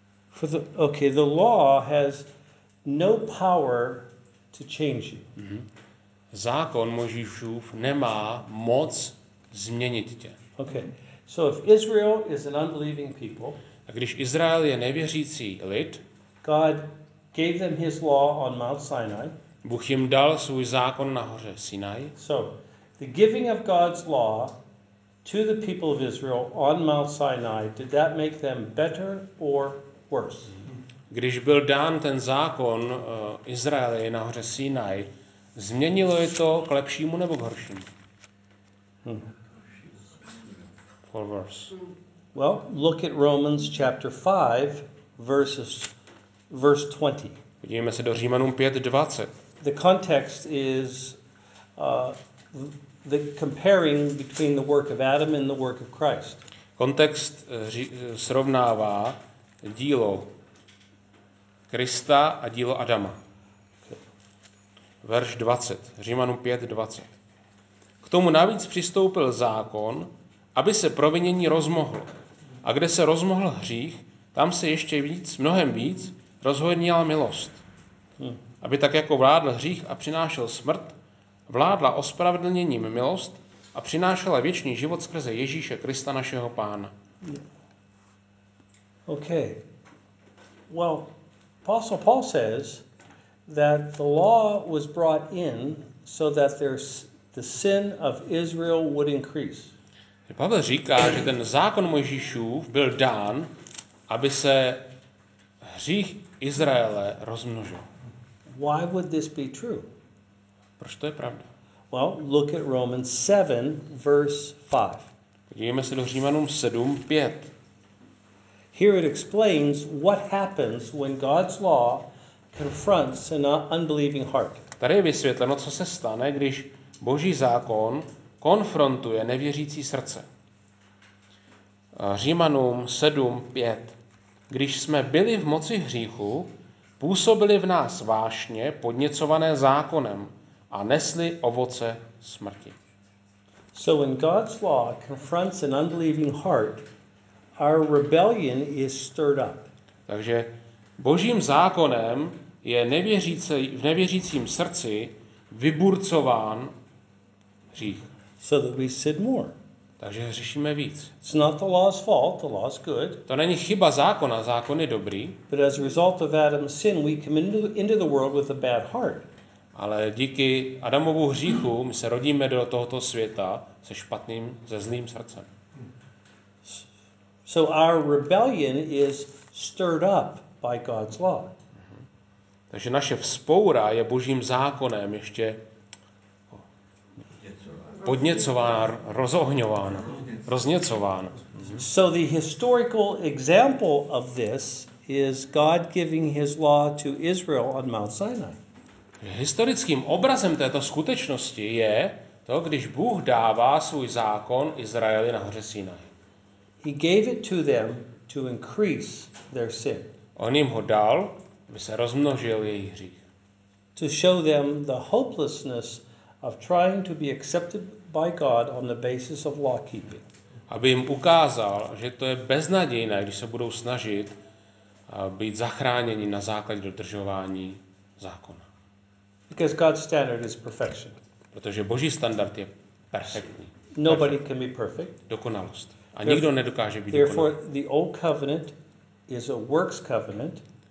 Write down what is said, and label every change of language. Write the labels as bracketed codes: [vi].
[en] For the the law has no power to change you. Mm-hmm. [cs] Zákon Mojžíšův nemá moc změnit tě. [en] Okay. So if Israel is an unbelieving people, [cs] a když Izrael je nevěřící lid, [en] God gave them his law on Mount Sinai. [cs] Bůh jim dal svůj zákon nahoře Sinai. [en] So, the giving of God's law to the people of Israel on Mount Sinai, did that make them better or worse? [cs] Když byl dán ten zákon Izraeli nahoře Sinai, změnilo je to k lepšímu nebo k horšímu? [en] For worse. Well, look at Romans chapter 5, verse 20. [cs] Podívejme se do Římanům 5:20. [en] The context is the comparing between the work of Adam and the work of Christ. [cs] Kontext srovnává dílo Krista a dílo Adama. Verš 20, Římanům 5:20. K tomu navíc přistoupil zákon, aby se provinění rozmohlo. A kde se rozmohl hřích, tam se ještě víc, mnohem víc, rozhojnila milost. Aby tak jako vládl hřích a přinášel smrt, vládla ospravedlněním milost a přinášela věčný život skrze Ježíše Krista našeho Pána. [en] Okay. Well, Apostle Paul says that the law was brought in so that there's the sin of Israel would increase. [cs] Pavel říká, že ten zákon Mojžíšův byl dán, aby se hřích Izraele rozmnožil. [en] Why would this be true? [cs] Proč to je pravda? [en] Well, look at Romans 7, verse 5. [cs] Podívejme se do Římanům 7, 5. [en] Here it explains what happens when God's law confronts an unbelieving heart. [cs] Tady je vysvětleno, co se stane, když Boží zákon konfrontuje nevěřící srdce. Římanům 7, 5. Když jsme byli v moci hříchu, působili v nás vášně podněcované zákonem a nesli ovoce smrti. [en] So when God's law confronts an unbelieving heart, our rebellion is stirred up. [cs] Takže Božím zákonem je v nevěřícím srdci vyburcován hřích. [en] So that we sin more. [cs] Takže hřešíme víc. [en] It's not the law's fault, the law's good. [cs] To není chyba zákona, zákon je dobrý. [en] But as a result of Adam's sin, we come into the world with a bad heart. [cs] Ale díky Adamovu hříchu my se rodíme do tohoto světa se špatným, se zlým srdcem. [en] So our rebellion is stirred up by God's law. [cs] Takže naše vzpoura je Božím zákonem ještě podněcována, rozohňována, rozněcována. [en] So the historical example of this is God giving his law to Israel on Mount Sinai. [cs] Historickým obrazem této skutečnosti je to, když Bůh dává svůj zákon Izraeli na hoře Sinai. [en] He gave it to them to increase their sin. [cs] On jim ho dal, aby se rozmnožil jejich hřích. [en] To show them the hopelessness of trying to be accepted by God on the basis of law keeping. [cs] Aby jim ukázal, že to je beznadějné, když se budou snažit být zachráněni na základě dodržování zákona. [en] Because God's standard is perfection. [cs] Protože Boží standard je perfektní. [en] Nobody can be perfect. [cs] Dokonalost. A nikdo nedokáže být dokonalý. [en] Therefore the old covenant is a works covenant.